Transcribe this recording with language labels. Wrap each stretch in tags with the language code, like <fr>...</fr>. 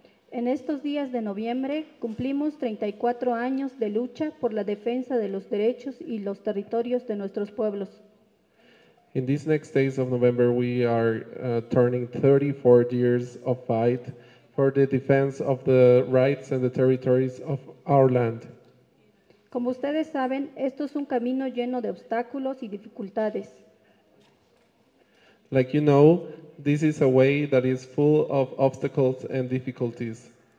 <es>En estos días de noviembre cumplimos 34 años de lucha por la defensa de los derechos y los territorios de nuestros pueblos.</es> <en>In these next days of November we are turning 34 years of fight for the defense of the rights and the territories of our land.</en> <es>Como ustedes saben, esto es un camino lleno de obstáculos y dificultades.</es> <en>Like you know, this is a way that is full of obstacles and difficulties.</en>